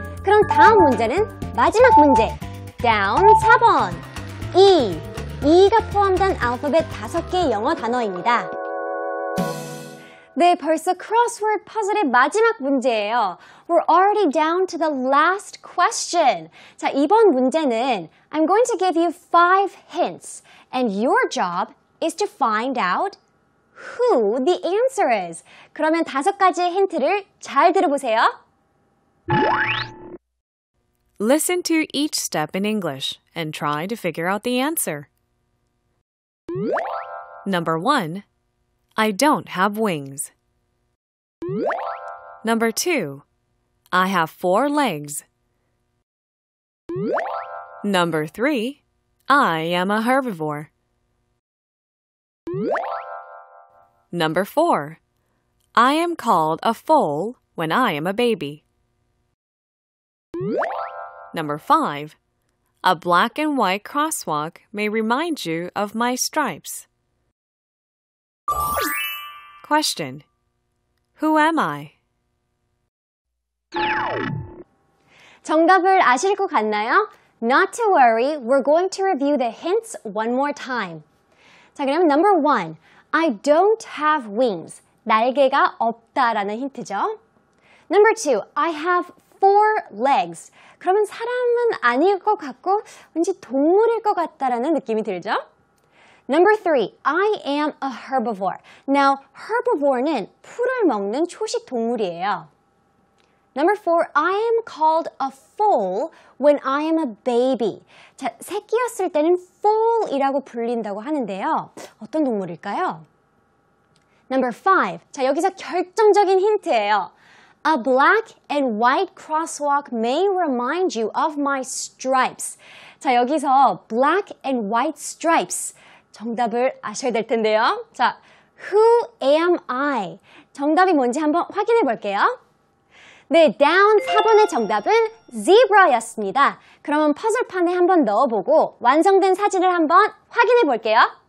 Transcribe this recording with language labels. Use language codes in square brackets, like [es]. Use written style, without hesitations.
[ko] 그럼 다음 문제는 마지막 문제. [en] Down 4번. E. [ko] E가 포함된 알파벳 5개의 영어 단어입니다. 네, 벌써 크로스워드 퍼즐의 마지막 문제예요. [en] We're already down to the last question. [ko] 자, 이번 문제는 [en] I'm going to give you 5 hints and your job is to find out who the answer is. [ko] 그러면 다섯 가지의 힌트를 잘 들어보세요. [en] Listen to each step in English and try to figure out the answer. Number 1. I don't have wings. Number 2. I have 4 legs. Number 3. I am a herbivore. Number 4. I am called a foal when I am a baby. Number 5. A black and white crosswalk may remind you of my stripes. Question. Who am I? [ko] 정답을 아실 것 같나요? [en] Not to worry, we're going to review the hints one more time. [ko] 자, 그러면 [en] number 1. I don't have wings. [ko] 날개가 없다라는 힌트죠. [en] Number 2. I have 4 legs. [ko] 그러면 사람은 아닐 것 같고 왠지 동물일 것 같다라는 느낌이 들죠. [en] Number 3. I am a herbivore. Now, herbivore는 [ko] 풀을 먹는 초식 동물이에요. [en] Number four, I am called a foal when I am a baby. [ko] 자, 새끼였을 때는 foal이라고 불린다고 하는데요. 어떤 동물일까요? [en] Number five, [ko] 자, 여기서 결정적인 힌트예요. [en] A black and white crosswalk may remind you of my stripes. [ko] 자, 여기서 [en] black and white stripes. [ko] 정답을 아셔야 될 텐데요. [en] 자, who am I? [ko] 정답이 뭔지 한번 확인해 볼게요. 네, down 4번의 정답은 zebra였습니다. 그러면 퍼즐판에 한번 넣어보고 완성된 사진을 한번 확인해 볼게요.